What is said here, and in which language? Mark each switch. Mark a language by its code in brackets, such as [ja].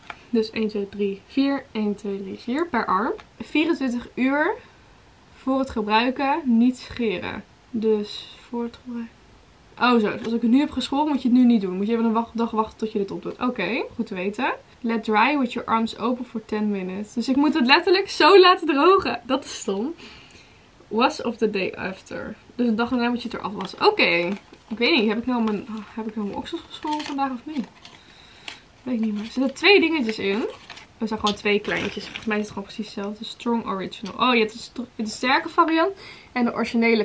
[nl] Dus 1, 2, 3, 4, 1, 2, 3, 4 per arm. 24 uur voor het gebruiken, niet scheren. Dus voor het gebruiken. Oh zo, dus als ik het nu heb geschoren moet je het nu niet doen. Moet je even een dag wachten tot je dit opdoet. Oké, goed te weten. [en] Let dry with your arms open for 10 minutes. [nl] Dus ik moet het letterlijk zo laten drogen. Dat is stom. [en] Wash of the day after. [nl] Dus een dag erna moet je het eraf wassen. Oké. Ik weet niet, heb ik nou mijn oksels geschoren vandaag of niet? Weet ik niet meer. Er zitten 2 dingetjes in. Er zijn gewoon 2 kleintjes. Volgens mij is het gewoon precies hetzelfde. Strong original. Oh, je hebt de sterke variant. En de originele.